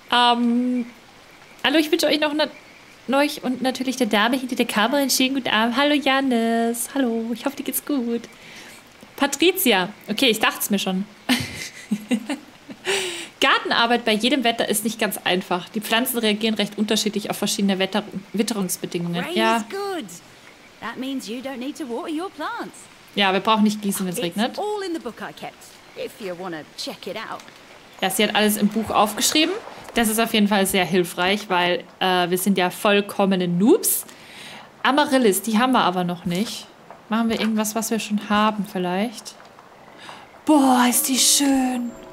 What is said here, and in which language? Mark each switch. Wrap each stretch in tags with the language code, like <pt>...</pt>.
<de>Hallo, ich wünsche euch noch neuch und natürlich der Dame hinter der Kamera einen schönen guten Abend. Hallo, Janis. Hallo, ich hoffe, dir geht's gut. Patricia. Okay, ich dachte es mir schon. Gartenarbeit bei jedem Wetter ist nicht ganz einfach. Die Pflanzen reagieren recht unterschiedlich auf verschiedene Witterungsbedingungen. Ja.</de> <en>That means you don't need to water your plants.</en> <de>Ja, wir brauchen nicht gießen, wenn es regnet.</de> <en>All in the book I kept, if you wanna check it out.</en> <de>Ja, sie hat alles im Buch aufgeschrieben. Das ist auf jeden Fall sehr hilfreich, weil wir sind ja vollkommene Noobs. Amaryllis, die haben wir aber noch nicht. Machen wir irgendwas, was wir schon haben vielleicht? Boah, ist die schön.</de>